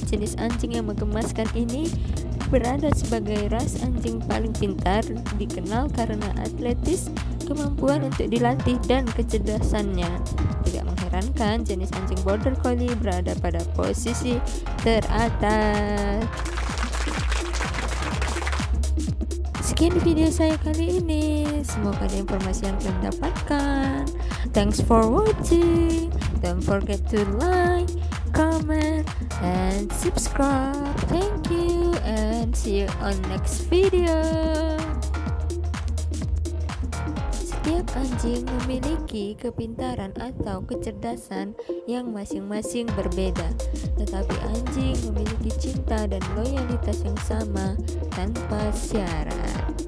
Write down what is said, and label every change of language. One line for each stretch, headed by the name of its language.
Indonesian: Jenis anjing yang menggemaskan ini berada sebagai ras anjing paling pintar, dikenal karena atletis, kemampuan untuk dilatih, dan kecerdasannya. Tidak mengherankan jenis anjing Border Collie berada pada posisi teratas. Sekian video saya kali ini. Semoga ada informasi yang kalian dapatkan.
English: Thanks for watching. Don't forget to like, comment, and subscribe. Thank you and see you on next video.
Indonesian: Setiap anjing memiliki kepintaran atau kecerdasan yang masing-masing berbeda. Tetapi anjing memiliki cinta dan loyalitas yang sama tanpa syarat.